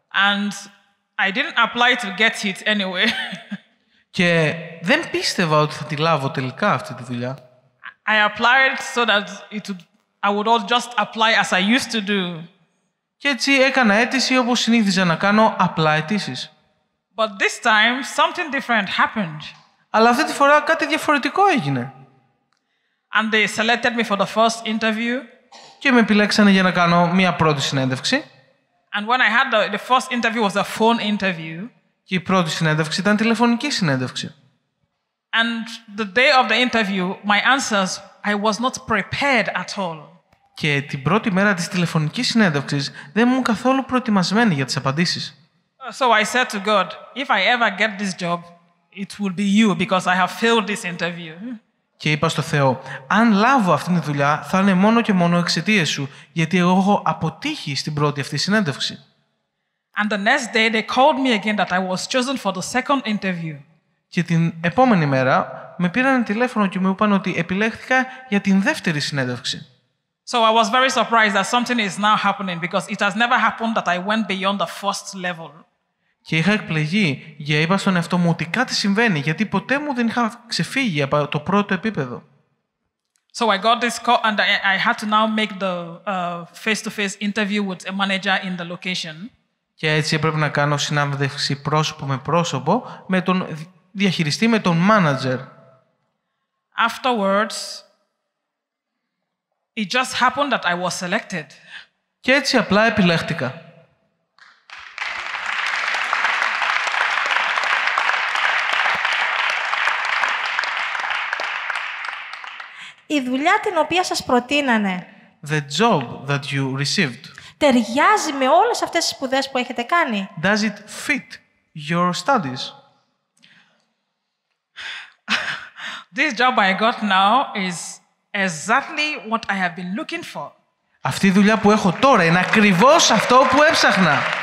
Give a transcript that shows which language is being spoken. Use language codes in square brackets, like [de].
[en] And I didn't apply to get it anyway. [el] Και δεν πίστευα ότι θα τη λάβω τελικά αυτή τη δουλειά. [en] I applied so that it would, I would all just apply as I used to do. [el] Και έτσι έκανα αίτηση όπως συνήθιζα να κάνω απλά αιτήσεις. [en] But this time something different happened. [el] Αλλά αυτή τη φορά κάτι διαφορετικό έγινε. [en] And they selected me for the first interview. [el] Και με επιλέξανε για να κάνω μια πρώτη συνέντευξη. [en] And when I had the first interview was a phone interview. [el] Και η πρώτη συνέντευξη ήταν τηλεφωνική συνέντευξη. [en] And the day of the interview, my answers, I was not prepared at all. [el] Και την πρώτη μέρα της τηλεφωνικής συνέντευξης δεν ήμουν καθόλου προετοιμασμένη για τις απαντήσεις. [en] So I said to God, if I ever get this job, it will be you because I have failed this interview. [el] Και είπα στο Θεό, αν λάβω αυτή τη δουλειά, θα είναι μόνο και μόνο εξαιτίας σου, γιατί εγώ έχω αποτύχει στην πρώτη αυτή συνέντευξη. [en] And the next day they called me again that I was chosen for the second interview. [el] Και την επόμενη μέρα με πήραν τηλέφωνο και μου είπαν ότι επιλέχθηκα για την δεύτερη συνέντευξη. [en] So I was very surprised that something is now happening because it has never happened that I went beyond the first level. [el] Και είχα εκπλαγεί και είπα στον εαυτό μου ότι κάτι συμβαίνει γιατί ποτέ μου δεν είχα ξεφύγει από το πρώτο επίπεδο. [en] So I got this call and I had to now make the face-to-face interview with a manager in the location. [el] Και έτσι έπρεπε να κάνω συνάντηση πρόσωπο με πρόσωπο με τον διαχειριστή, με τον manager. [en] Afterwards, it just happened that I was selected. [el] Και έτσι απλά επιλέχτηκα. Η δουλειά την οποία σας προτείνανε. [en] The job that you received. [el] Ταιριάζει με όλες αυτές τις σπουδές που έχετε κάνει. [en] Does it fit your studies? This job I got now is exactly what I have been looking for. [el] Αυτή η δουλειά που έχω τώρα είναι ακριβώς αυτό που έψαχνα.